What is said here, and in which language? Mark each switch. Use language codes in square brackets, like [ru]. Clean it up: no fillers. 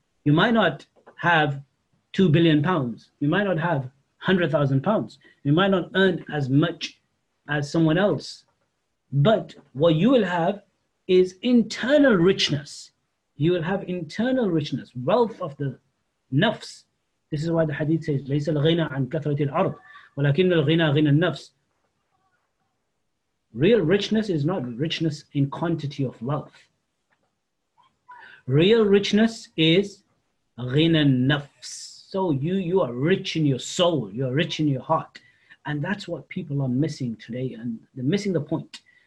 [en] You might not have 2 billion pounds. You might not have 100,000 pounds. You might not earn as much as someone else. But what you will have is internal richness. You will have internal richness, wealth of the nafs. This is why the hadith says, [ar] لَيْسَ الْغِنَى عَنْ كَثْرَةِ الْعَرْضِ وَلَكِنَّ الْغِنَى غِنَى النَّفْسِ. [en] Real richness is not richness in quantity of wealth. Real richness is [ar] غِنَى النَّفْسِ. [en] So you are rich in your soul, you are rich in your heart. And that's what people are missing today, and they're missing the point.